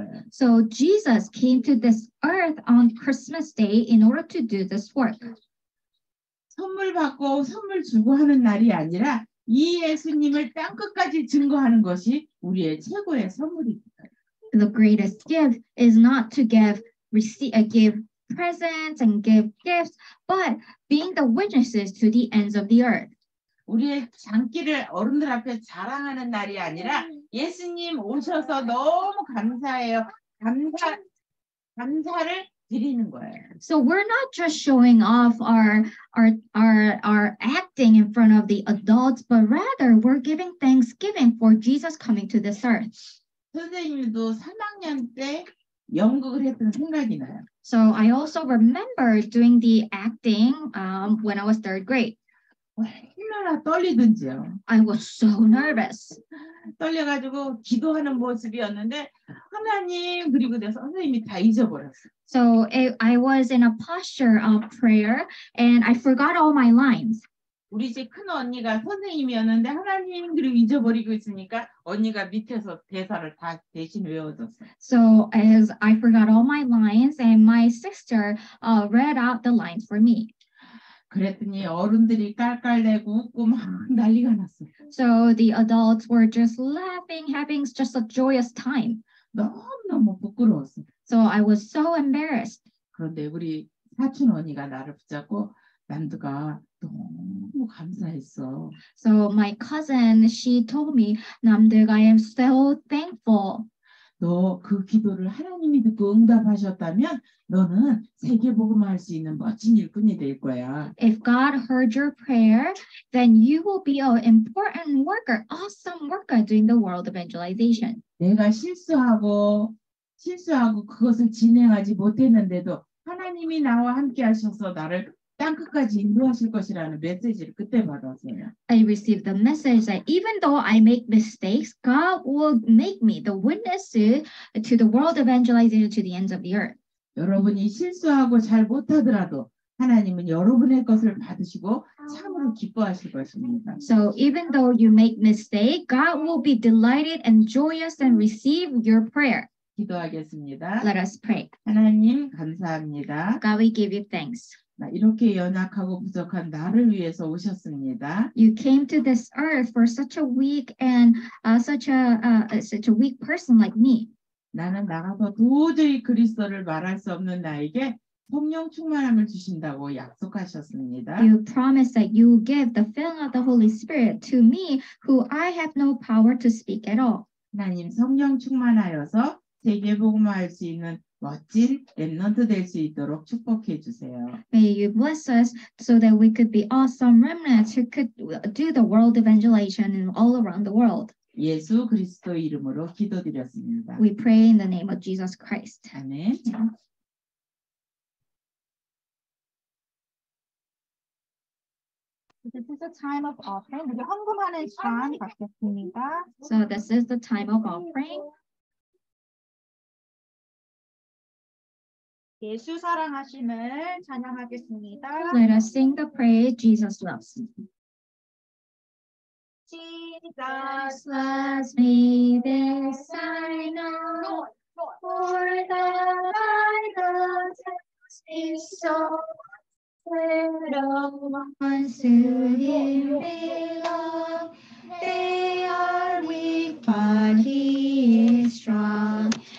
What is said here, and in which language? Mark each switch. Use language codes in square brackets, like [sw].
[en] So Jesus came to this earth on Christmas Day in order to do this work. [ko] 선물 받고 선물 주고 하는 날이 아니라 이 예수님을 땅 끝까지 증거하는 것이 우리의 최고의 선물입니다. [en] The greatest gift is not to give presents and give gifts, but being the witnesses to the ends of the earth. [ko] 우리의 장기를 어른들 앞에 자랑하는 날이 아니라 예수님 오셔서 너무 감사해요. 감사를 드리는 거예요. [en] So we're not just showing off our acting in front of the adults, but rather we're giving thanksgiving for Jesus coming to this earth. [ko] 선생님도 3학년 때 연극을 했던 생각이 나요. [en] So I also remember doing the acting when I was third grade. [ko] 얼마나 떨리든지요. [en] I was so nervous. [ko] 떨려가지고 기도하는 모습이었는데 하나님 그리고 내 선생님이 다 잊어버렸어. [en] So I was in a posture of prayer and I forgot all my lines. [ko] 우리 집 큰 언니가 선생님이었는데 하나님 그리고 잊어버리고 있으니까 언니가 밑에서 대사를 다 대신 외워줬어. [en] So as I forgot all my lines and my sister read out the lines for me. [ko] 그랬더니 어른들이 깔깔대고 웃고 막 난리가 났어. [en] So the adults were just laughing, having just a joyous time. [ko] 너무너무 부끄러웠어. [en] So I was so embarrassed. [ko] 그런데 우리 사촌 언니가 나를 붙잡고 난두가 너무 감사했어. [en] So my cousin, she told me, 남두가, I am so thankful. [ko] 너 그 기도를 하나님이 듣고 응답하셨다면 너는 세계복음화할 수 있는 멋진 일꾼이 될 거야. [en] If God heard your prayer, then you will be an important worker, awesome worker doing the world evangelization. [ko] 내가 실수하고 그것을 진행하지 못했는데도 하나님이 나와 함께 하셔서 나를 땅끝까지 인도하실 것이라는 메시지를 그때 받았어요. [en] I received the message that even though I make mistakes, God will make me the witness to the world evangelization to the ends of the earth. [ko] 여러분이 실수하고 잘 못하더라도 하나님은 여러분의 것을 받으시고 참으로 기뻐하실 것입니다. [en] So even though you make mistakes, God will be delighted and joyous and receive your prayer. [ko] 기도하겠습니다. [en] Let us pray. [ko] 하나님 감사합니다. [en] God, we give you thanks. [ko] 이렇게 연약하고 부족한 나를 위해서 오셨습니다. [en] You came to this earth for such a weak and such a weak person like me. [ko] 나는 나가서 도저히 그리스도를 말할 수 없는 나에게 성령 충만함을 주신다고 약속하셨습니다. [en] You promised that you will give the filling of the Holy Spirit to me who I have no power to speak at all. [ko] 하나님 성령 충만하여서 세계복음화할 수 있는 멋진 렘넌트 될 수 있도록 축복해 주세요. [en] May you bless us so that we could be awesome remnants who could do the world evangelization all around the world. [ko] 예수 그리스도 이름으로 기도드렸습니다. [en] We pray in the name of Jesus Christ. [ko] 아멘. 헌금하는 시간 갖겠습니다. [en] So this is the time of offering. [ko] 예수 사랑하심을 찬양하겠습니다. [en] Let us sing the praise Jesus loves. Jesus loves me, this I know, for the Bible tells me so. Little ones who him belong, they are weak, but he is strong.